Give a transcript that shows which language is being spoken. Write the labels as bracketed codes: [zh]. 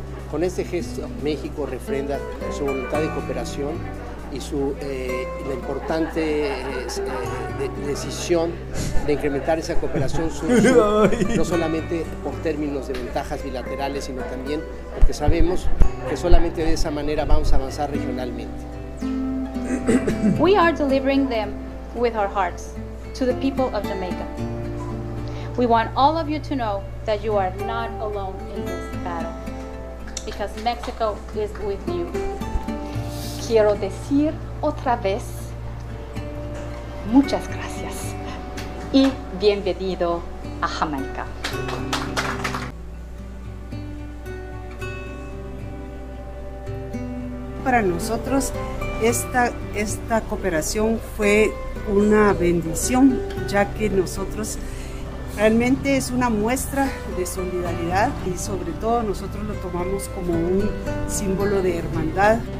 [es] Con este gesto, México refrenda su voluntad de cooperación y su la importante decisión de incrementar esa cooperación sur-sur, no solamente por términos de ventajas bilaterales, sino también porque sabemos que solamente de esa manera vamos a avanzar regionalmente. [en] We are delivering them with our hearts to the people of Jamaica. We want all of you to know that you are not alone in this battle, because Mexico is with you. [es] Quiero decir otra vez, muchas gracias y bienvenido a Jamaica. Para nosotros esta cooperación fue una bendición, ya que nosotros realmente es una muestra de solidaridad y sobre todo nosotros lo tomamos como un símbolo de hermandad.